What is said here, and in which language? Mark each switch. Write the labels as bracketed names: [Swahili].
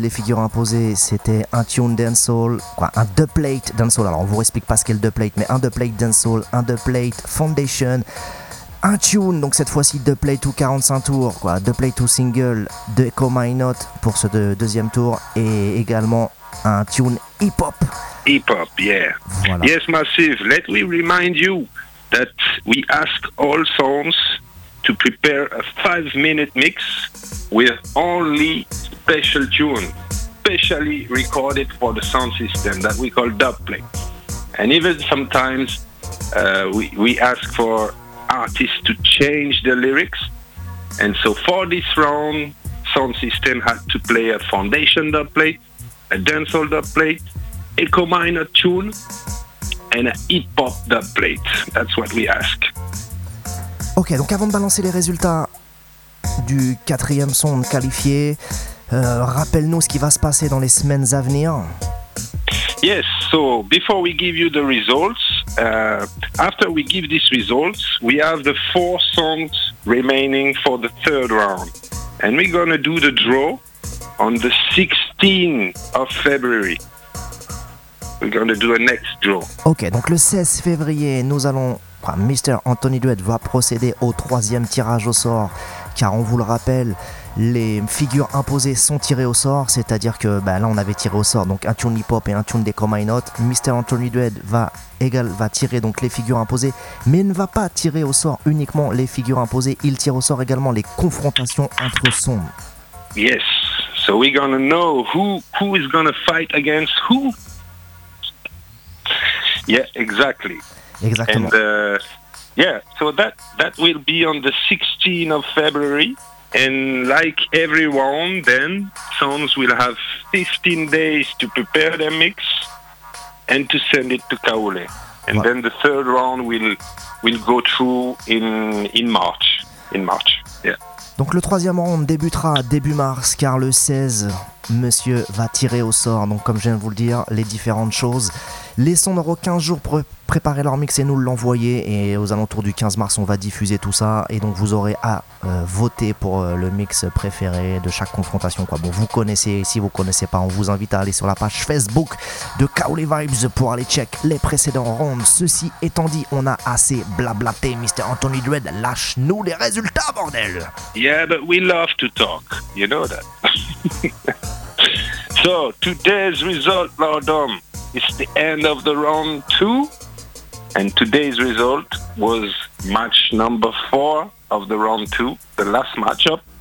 [French] Les figures imposées, c'était un tune dancehall, quoi, un dubplate dancehall. Alors on vous explique pas ce qu'est le dubplate, mais un dubplate dancehall, un dubplate foundation. Un tune, donc cette fois-ci de play to 45 tours, quoi, de play to single, de Echo My Note pour ce deuxième tour, et également un tune hip-hop. [English] Hip-hop, yeah. [French] Voilà. [English] Yes, Massive, let me remind you that we ask all songs to prepare a 5-minute mix with only special tune, specially recorded for the sound system that we call dub play. And even sometimes we ask for artists to change the lyrics, and so for this round, sound system had to play a foundation dub plate, a dancehall dub plate, Echo Minor tune, and a hip hop dub plate. That's what we ask. [French] Ok, donc avant de balancer les résultats du quatrième son qualifié, rappelle-nous ce qui va se passer dans les semaines à venir. [English] Yes, so before we give you the results, after we give these results, we have the 4 songs remaining for the third round. And we're going to do the draw on the 16th of February. We're going to do a next draw. [French] Ok, donc le 16 février, nous allons... Enfin, Mr. Anthony Duet va procéder au troisième tirage au sort, car on vous le rappelle... Les figures imposées sont tirées au sort, c'est-à-dire que bah, là on avait tiré au sort donc un tune hip-hop et un tune d'Echo My Note. Mr. Anthony Dread va tirer donc les figures imposées, mais il ne va pas tirer au sort uniquement les figures imposées, il tire au sort également les confrontations entre sons. [English] Yes, so we're gonna know who is gonna fight against who. Yeah, exactly. [French] Exactement. [English] And, so that will be on the 16th of February. And like everyone, then songs will have 15 days to prepare their mix and to send it to Kaoulé. And then the third round will go through in March. In March, yeah. [French] Donc le troisième round débutera début mars, car le 16 monsieur va tirer au sort, donc comme je viens de vous le dire, les différentes choses. Laissons nos 15 jours pour préparer leur mix et nous l'envoyer, et aux alentours du 15 mars on va diffuser tout ça, et donc vous aurez à voter pour le mix préféré de chaque confrontation quoi. Bon, vous connaissez, si vous connaissez pas, on vous invite à aller sur la page Facebook de Kaoulé Vibes pour aller check les précédents rounds. Ceci étant dit, on a assez blablaté, Mr. Anthony Dread, lâche nous les résultats, bordel. [English] Yeah, but we love to talk, you know that. So today's result, Lord Om, it's the end of the round 2. And today's result was match number 4 of the round 2, the last matchup.